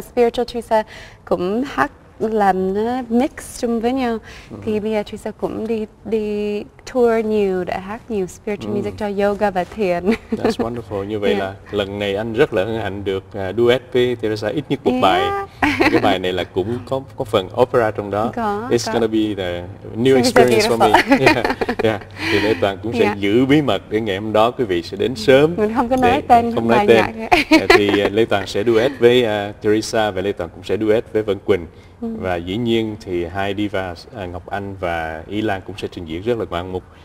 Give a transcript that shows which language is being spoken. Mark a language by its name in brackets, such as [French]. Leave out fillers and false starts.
[Vietnamese] Và spiritual Teresa cũng hát, làm nó mix chung với nhau. Thì bây giờ Teresa cũng đi tour nhiều để hát nhiều spiritual music cho yoga và thiền. [English] That's wonderful. [Vietnamese] Như vậy là lần này anh rất là hân hạnh được duet với Teresa ít nhất một bài. Cái bài này là cũng có phần opera trong đó. [English] It's gonna be the new experience for me. Yeah. [Vietnamese] Thì Lê Toàn cũng sẽ giữ bí mật để ngày hôm đó quý vị sẽ đến sớm. Mình không có nói tên. Không nói tên. Thì Lê Toàn sẽ duet với Teresa và Lê Toàn cũng sẽ duet với Vân Quỳnh. Và dĩ nhiên thì hai diva Ngọc Anh và Y Lan cũng sẽ trình diễn rất là ngoạn mục.